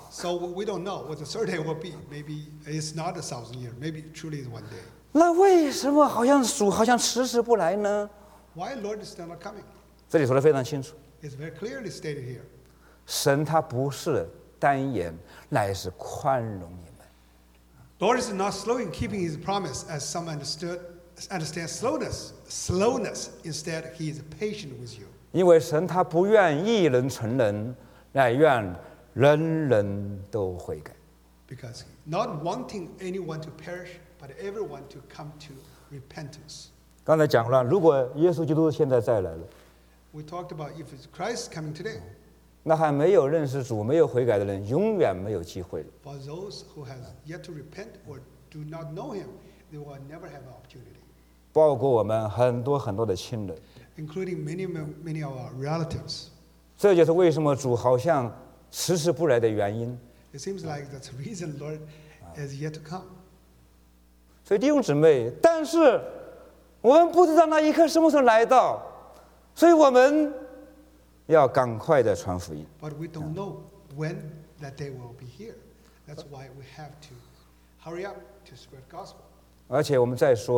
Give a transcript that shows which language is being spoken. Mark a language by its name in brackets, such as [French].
[English] So we don't know what the third day will be. Maybe it's not 1,000 years. Maybe truly is one day. [Chinese] 那为什么好像主好像迟迟不来呢？ [English] Why Lord is still not coming? [Chinese] 这里说得非常清楚。 [English] It's very clearly stated here. [Chinese] 神他不是单言，乃是宽容你们。 [English] Lord is not slow in keeping his promise, as some understand slowness. Slowness, instead, he is patient with you. [Chinese] 因为神他不愿一人沉沦，乃愿人人都悔改。 [English] Because not wanting anyone to perish, but everyone to come to repentance. [Chinese] 刚才讲了，如果耶稣基督现在再来了， [English] We talked about if it's Christ coming today. [Chinese] 那还没有认识主、没有悔改的人，永远没有机会了。 [English] For those who have yet to repent or do not know him, they will never have an opportunity. [Chinese] 包括我们很多很多的亲人， [English] including many of our relatives. [Chinese] 这就是为什么主好像迟迟不来的原因。 [English] It seems like that's the reason Lord has yet to come. [Chinese] 所以弟兄姊妹，但是我们不知道那一刻什么时候来到，所以我们要赶快的传福音。 [English] But we don't know when that day will be here. That's why we have to hurry up to spread gospel.